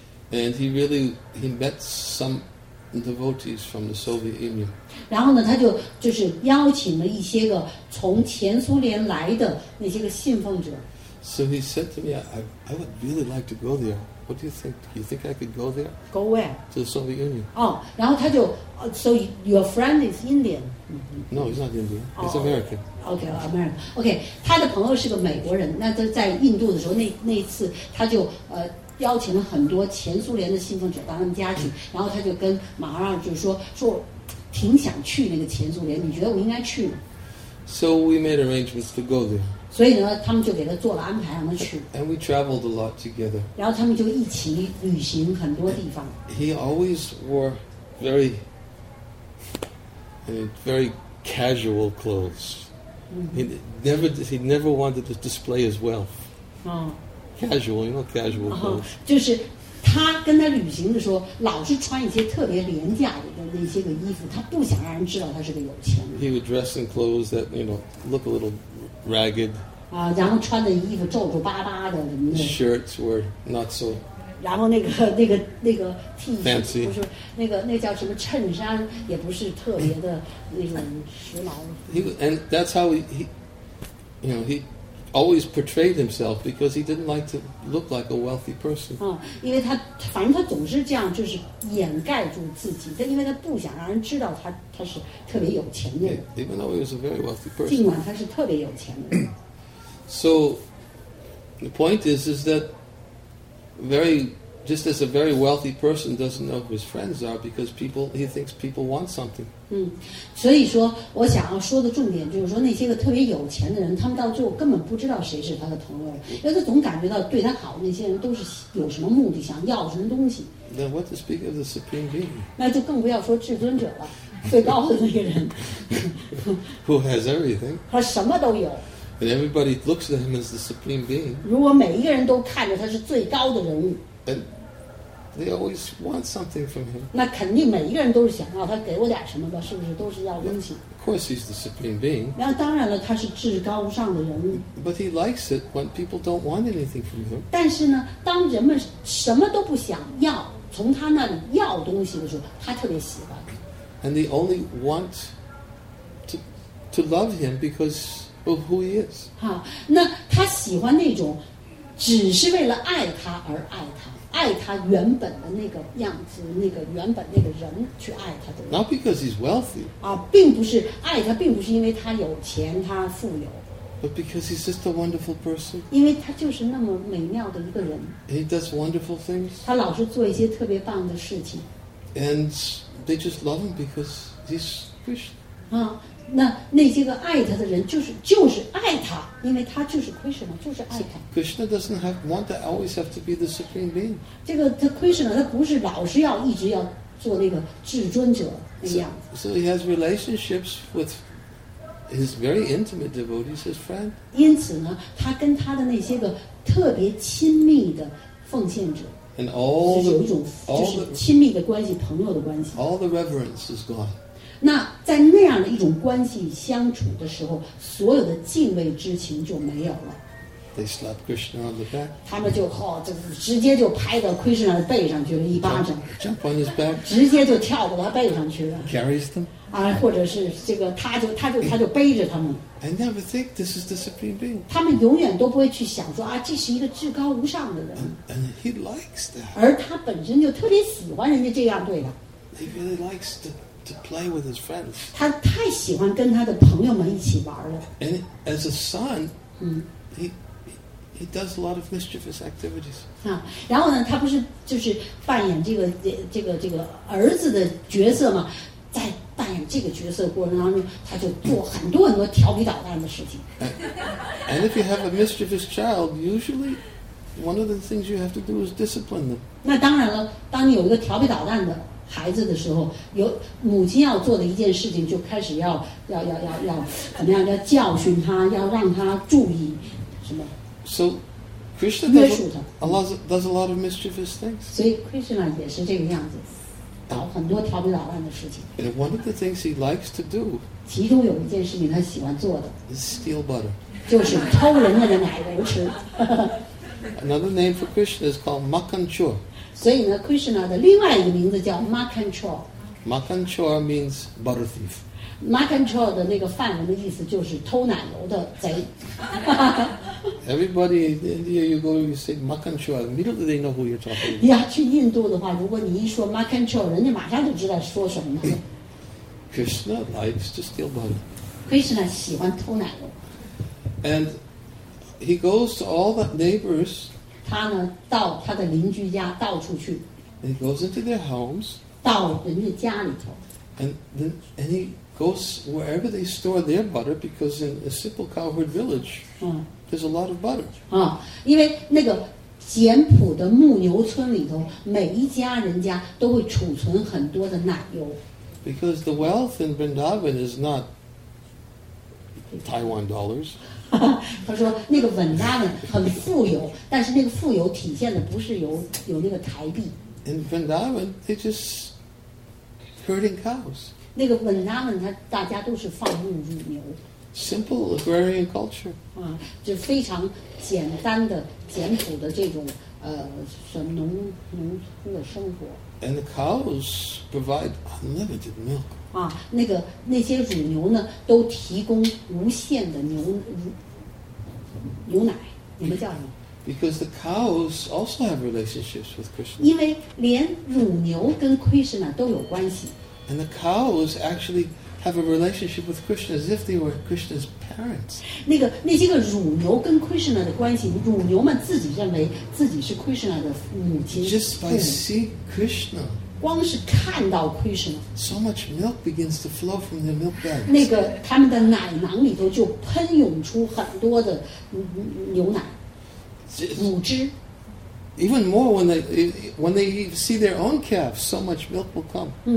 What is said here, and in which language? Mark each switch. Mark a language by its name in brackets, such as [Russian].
[English] And he met some devotees from the Soviet Union. [Chinese] 然后呢，他就是邀请了一些个从前苏联来的那些个信奉者。 [English] So he said to me, I would really like to go there. What do you think? Do you think I could go there? Go where? To the Soviet Union. Oh, [Chinese] 然后他就 [English] so your friend is Indian. No, he's not Indian. He's American. Okay, American. [Chinese] Okay, 他的朋友是个美国人。那他在印度的时候，那一次他就邀请了很多前苏联的信奉者到他们家去。然后他就跟马哈拉就说挺想去那个前苏联。你觉得我应该去吗？ [English] So we made arrangements to go there. [Chinese] 所以呢，他们就给他做了安排，让他去。 [English] And we traveled a lot together. [Chinese] 然后他们就一起旅行很多地方。 [English] He always wore very, very casual clothes. He never wanted to display his wealth. Casual, you know, casual clothes. [Chinese] 就是他跟他旅行的时候，老是穿一些特别廉价的那些个衣服，他不想让人知道他是个有钱人。 [English] He would dress in clothes that, you know, look a little ragged. [Chinese] 啊，然后穿的衣服皱皱巴巴的。 [English] Shirts were not so. [Chinese] 然后那个 T 恤 [English] fancy. [Chinese] 不是那个叫什么衬衫，也不是特别的那种时髦。 [English] He always portrayed himself because he didn't like to look like a wealthy person. [Chinese] 嗯，因为他反正他总是这样，就是掩盖住自己，但因为他不想让人知道他是特别有钱的人。 [English] Even though he was a very wealthy person. [Chinese] 尽管他是特别有钱的人。 [English] So the point is that very just as a very wealthy person doesn't know who his friends are because people, he thinks people want something. [Chinese] 所以说我想要说的重点就是说那些个特别有钱的人他们到最后根本不知道谁是他的同路人因为他总感觉到对他好的那些人都是有什么目的想要什么东西。 [English] Then what to speak of the Supreme Being? [Chinese] 那就更不要说至尊者了最高的那个人。 [English] Who has everything? [Chinese] 他什么都有。 [English] And everybody looks at him as the Supreme Being. [Chinese] 如果每一个人都看着他是最高的人物。 [English] And they always want something from him. [Chinese] 那肯定每一个人都是想要他给我点什么吧，是不是？都是要东西。 [English] Of course, he's the supreme being. [Chinese] 那当然了，他是至高无上的人物。 [English] But he likes it when people don't want anything from him. [Chinese] 但是呢，当人们什么都不想要，从他那里要东西的时候，他特别喜欢。 [English] And they only want to love him because of who he is. [Chinese] 好，那他喜欢那种只是为了爱他而爱他。爱他原本的那个样子，那个原本那个人去爱他的人。 [English] Not because he's wealthy. [Chinese] 啊，并不是爱他，并不是因为他有钱，他富有。 [English] But because he's just a wonderful person. [Chinese] 因为他就是那么美妙的一个人。 [English] He does wonderful things. [Chinese] 他老是做一些特别棒的事情。 [English] And they just love him because he's Krishna. [Chinese] 啊，那些个爱他的人就是爱他。因为他就是 Krishna 就是爱他 [English] Krishna doesn't have, want to always have to be the supreme being [Chinese] 这个他 Krishna 他不是老是要一直要做那个至尊者那样子 [English] so he has relationships with his very intimate devotees his friend [Chinese] 因此呢他跟他的那些个特别亲密的奉献者 [English] and all [Chinese] 是有一种就是亲密的关系 朋友的关系 [English] all the reverence is gone [Chinese] 那在那样的一种关系相处的时候所有的敬畏之情就没有了 [English] They slap Krishna on the back [Chinese] 他们 就直接就拍到 Krishna 的背上去了一巴掌 [English] Jump on his back [Chinese] 直接就跳到他背上去了 [English] Carries them [Chinese] 啊，或者是这个他就背着他们 [English] I never think this is the supreme being [Chinese] 他们永远都不会去想说啊，这是一个至高无上的人 [English] and he likes that [Chinese] 而他本身就特别喜欢人家这样对的 [English] He really likes that To play with his friends. [Chinese] 他太喜欢跟他的朋友们一起玩了。 [English] And as a son, he does a lot of mischievous activities. [Chinese] 啊，然后呢，他不是就是扮演这个儿子的角色吗？在扮演这个角色过程当中，他就做很多很多调皮捣蛋的事情。 [English] And if you have a mischievous child, usually one of the things you have to do is discipline them. [Chinese] 那当然了，当你有一个调皮捣蛋的。孩子的时候，有母亲要做的一件事情，就开始要怎么样？要教训他，要让他注意什么 [English] ？So Krishna does a lot of mischievous things. [Chinese] 所以 Krishna 也是这个样子，搞很多调皮捣蛋的事情。 [English] And one of the things he likes to do. [Chinese] 其中有一件事情他喜欢做的 [English] is steal butter. [Chinese] 就是偷人家的奶油吃。 [English] Another name for Krishna is called Makhan Chor. [Chinese] 所以呢 ，Krishna 的另外一个名字叫 Makhan Chor. [English] Makhan Chor means butter thief. [Chinese] Makhan Chor 的那个梵文的意思就是偷奶油的贼。 [English] Everybody in India, you go, you say Makhan Chor, immediately they know who you're talking about. [Chinese] 你要去印度的话，如果你一说 Makhan Chor， 人家马上就知道说什么了。 [English] Krishna likes to steal butter. [Chinese] Krishna 喜欢偷奶油。 [English] And He goes to all the neighbors. [Chinese] 他呢到他的邻居家到处去。 [English] And he goes into their homes. [Chinese] 到人家家里头。 [English] And he goes wherever they store their butter because in a simple cowherd village, there's a lot of butter. [Chinese] 啊，因为那个简朴的牧牛村里头，每一家人家都会储存很多的奶油。 [English] Because the wealth in Vrindavan is not Taiwan dollars. [Chinese] 他说那个稳扎稳很富有但是那个富有体现的不是有那个台币 [English] In Vrindavan they just herding cows [Chinese] 那个稳扎稳大家都是放牧乳牛 [English] Simple agrarian culture [Chinese] 啊，就非常简单的简朴的这种农村的生活 [English] And the cows provide unlimited milk [Chinese] 啊，那些乳牛呢都提供无限的牛奶，你们叫什么 [English] ？Because the cows also have relationships with Krishna. [Chinese] 因为连乳牛跟 Krishna 都有关系。 [English] And the cows actually have a relationship with Krishna as if they were Krishna's parents. [Chinese] 那些个乳牛跟 Krishna 的关系，乳牛们自己认为自己是 Krishna 的母亲。 [English] Just by seeing Krishna. [Chinese] 光是看到 Krishna. [English] So much milk begins to flow from their milk bags. [Chinese] 那个他们的奶囊里头就喷涌出很多的牛奶，乳汁。 [English] Even more when they see their own calf, so much milk will come.